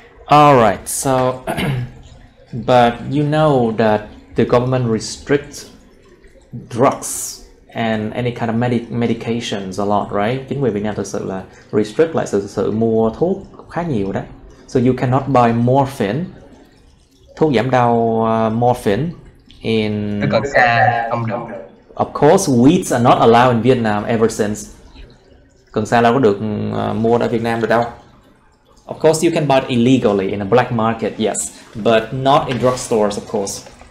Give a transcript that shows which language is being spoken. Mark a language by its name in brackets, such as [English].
[English] Alright, so, but you know that the government restricts drugs and any kind of medications a lot, right? [Vietnamese] Chính quyền Việt Nam thực sự là restrict lại sự mua thuốc khá nhiều đó. [English] So you cannot buy morphine, [Vietnamese] thuốc giảm đau [English] morphine in... [Vietnamese] Không được. [English] Of course, weeds are not allowed in Vietnam ever since [Vietnamese] cần sa đâu có được mua ở Việt Nam được đâu. [English] Of course you can buy it illegally in a black market, yes, but not in drugstores, of course.